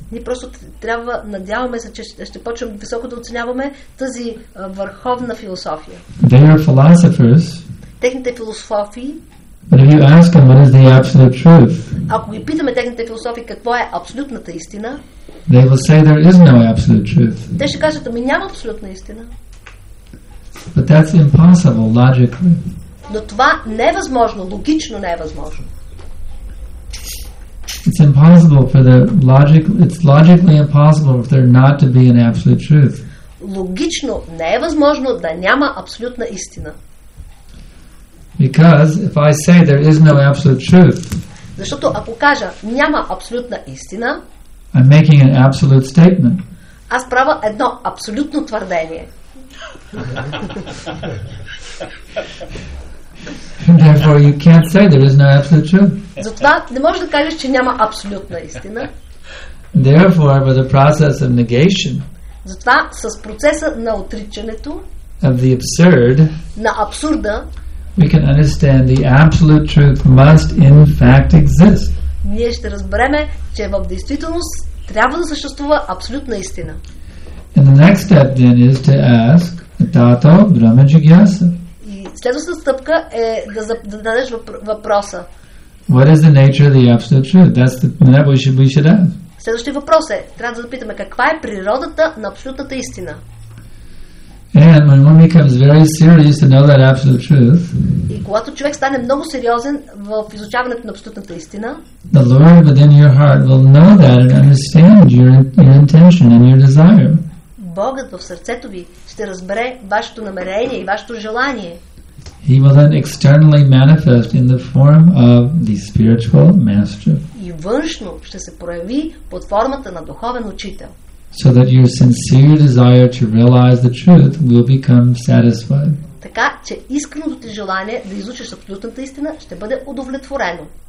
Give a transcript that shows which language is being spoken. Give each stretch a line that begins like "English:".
Bulgarian: Ние просто трябва, надяваме се, че ще почнем високо да оценяваме тази върховна философия.
English: They are philosophers.
Bulgarian: Техните философи.
English: But if you ask them what is the absolute truth?
Bulgarian: Ако ги питаме техните философи какво е абсолютната истина?
English: They will say there is no absolute truth.
Bulgarian: Те ще кажат, ами няма абсолютна истина.
English: But that's impossible logically.
Bulgarian: Но това не е възможно, логично не е възможно.
English: It's impossible for the logic. It's logically impossible for there not to be an absolute truth.
Bulgarian: Логично не е възможно да няма абсолютна истина.
English: Because if I say there is no absolute truth,
Bulgarian: защото ако кажа няма абсолютна истина,
English: I'm making an absolute statement.
Bulgarian: Аз правя едно абсолютно твърдение.
English: Therefore, you can't say there is no absolute truth.
Bulgarian: Затова не можеш да кажеш, че няма абсолютна истина.
English: Therefore, by the process of negation.
Bulgarian: Затова с процеса на отричането.
English: Of the absurd.
Bulgarian: На абсурда.
English: We can understand the absolute truth must in fact exist.
Bulgarian: Ние ще разбереме, че в действителност трябва да съществува абсолютна истина.
English: And the next step then is to ask
Sanskrit: Tato Brahma Jigyasa.
Bulgarian: Следващата стъпка е да дадеш въпроса.
English: What is the nature of the absolute truth? That's the that we should have.
Bulgarian: Следващият въпрос е, трябва да запитаме каква е природата на абсолютната истина.
English: And when one becomes very serious to know that absolute truth.
Bulgarian: И когато човек стане много сериозен в изучаването на абсолютната истина,
English: the Lord within your heart will know that and understand your intention and your desire.
Bulgarian: Богът в сърцето ви ще разбере вашето намерение и вашето желание.
English: He will then externally manifest in the form of the spiritual master.
Bulgarian: И външно ще се прояви под формата на духовен учител.
English: So that your sincere desire to realize the truth will become satisfied.
Bulgarian: Така че искреното ти желание да изучиш абсолютната истина ще бъде удовлетворено.